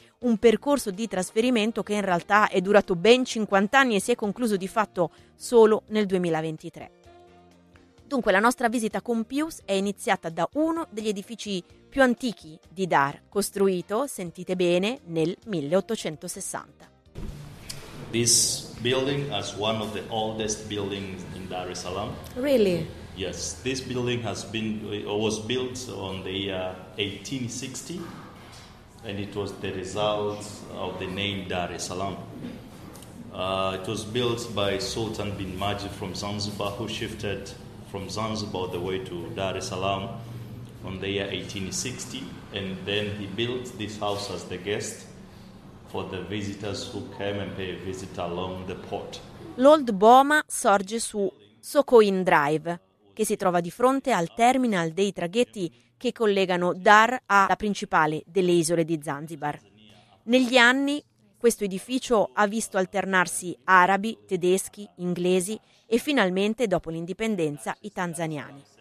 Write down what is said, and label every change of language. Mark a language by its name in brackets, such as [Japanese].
[Italian] un percorso di trasferimento che in realtà è durato ben 50 anni e si è concluso di fatto solo nel 2023. Dunque, la nostra visita con Pius è iniziata da uno degli edifici più antichi di Dar, costruito, sentite bene, nel 1860. [English] This building is one of the oldest buildings in Dar es Salaam. Really? Yes, this building has been or was built on the year 1860, and it was the result of the name Dar es Salaam. It was built by Sultan bin Majid from Zanzibar, who shifted from Zanzibar the way to Dar es Salaam on the year 1860, and then he built this house as the guest for the visitors who came and pay a visit along the port. [Italian] L'Old Boma sorge su Sokoin Drive, che si trova di fronte al terminal dei traghetti che collegano Dar alla principale delle isole di Zanzibar. Negli anni questo edificio ha visto alternarsi arabi, tedeschi, inglesi e finalmente, dopo l'indipendenza, i tanzaniani.